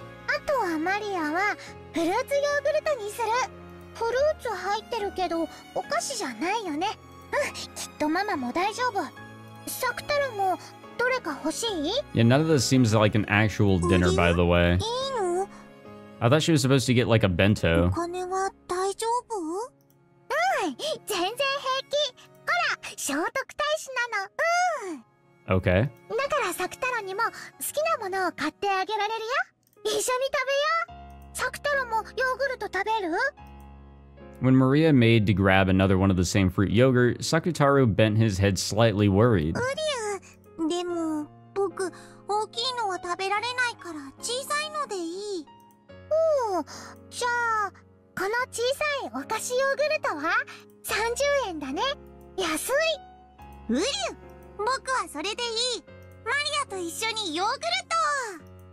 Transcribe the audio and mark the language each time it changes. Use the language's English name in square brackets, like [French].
[Japanese] あとはマリアはフルーツヨーグルトにする。フルーツ入ってるけどお菓子じゃないよね。うん、きっとママも大丈夫。サクタルもどれか欲しい？ [English] Yeah, none of this seems like an actual dinner, by the way. [Japanese] いいの？ [English] I thought she was supposed to get like a bento. [Japanese] お金は大丈夫？うん、全然平気。ほら、聖徳太子なの。うん。 [English] Okay. [Japanese] だからサクタロにも好きなものを買ってあげられるよ。一緒に食べよう。サクタロもヨーグルト食べる？ [English] When Maria made to grab another one of the same fruit yogurt, Sakutaru bent his head slightly worried. [Japanese] うりゅう、でも僕大きいのは食べられないから小さいのでいい。おお、じゃあこの小さいお菓子ヨーグルトは30円だね。安い。うりゅ、僕はそれでいい。マリアと一緒にヨーグルト。